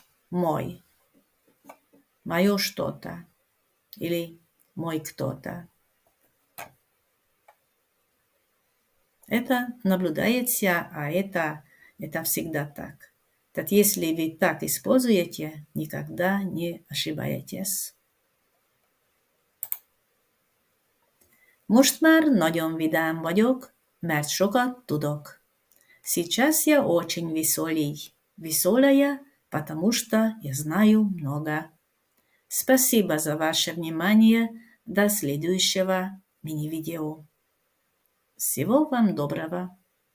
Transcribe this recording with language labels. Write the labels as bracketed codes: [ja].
[ru] Мой. Мое что-то. Или мой кто-то. Это наблюдается, а это всегда так. Так если вы так используете, никогда не ошибаетесь. [hu] Most már nagyon vidám vagyok, mert sokat tudok. [ru] Сейчас я очень веселый. Веселая, потому что я знаю много. Спасибо за ваше внимание. До следующего мини-видео. Всего вам доброго!